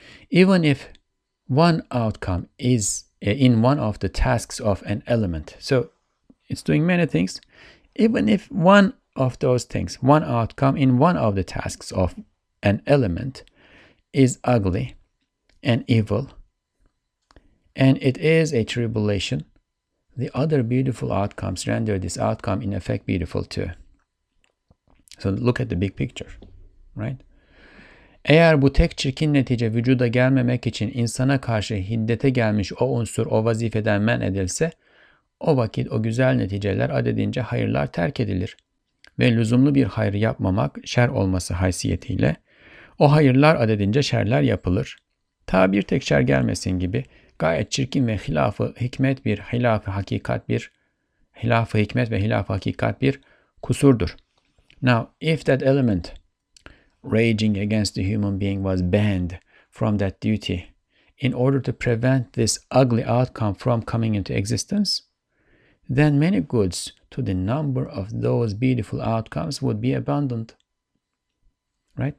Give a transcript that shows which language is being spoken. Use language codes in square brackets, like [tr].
[en] Even if one outcome is in one of the tasks of an element, so it's doing many things, even if one of those things, one outcome in one of the tasks of an element is ugly and evil, and it is a tribulation, the other beautiful outcomes render this outcome in effect beautiful too. So look at the big picture, right? [tr] Eğer bu tek çirkin netice vücuda gelmemek için insana karşı hiddete gelmiş o unsur o vazifeden men edilse, o vakit o güzel neticeler adedince hayırlar terk edilir. Ve lüzumlu bir hayrı yapmamak şer olması haysiyetiyle, o hayırlar adedince şerler yapılır. Ta bir tek şer gelmesin gibi, gayet çirkin ve hilaf-ı hikmet bir hilaf-ı hakikat bir hilaf-ı hikmet ve hilaf-ı hakikat bir kusurdur. [en] Now, if that element raging against the human being was banned from that duty in order to prevent this ugly outcome from coming into existence, then many goods to the number of those beautiful outcomes would be abandoned. Right?